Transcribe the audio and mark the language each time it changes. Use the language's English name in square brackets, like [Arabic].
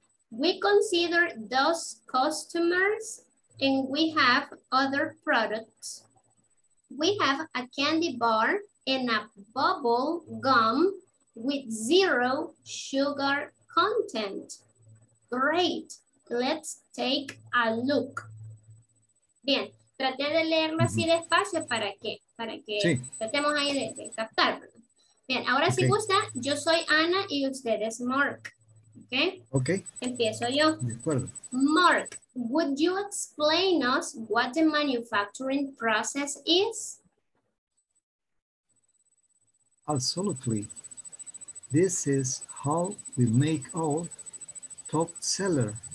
[English] We consider those customers and we have other products. We have a candy bar and a bubble gum with zero sugar content. Great, let's take a look. [Spanish] Bien, traté de leerlo así despacio para que, sí, tratemos ahí de captar. Bien, ahora si gusta, yo soy Ana y usted es Mark. [English] Okay. [Spanish] Empiezo yo. De acuerdo. [English] Mark, would you explain us what the manufacturing process is? Absolutely. This is how we make our top seller.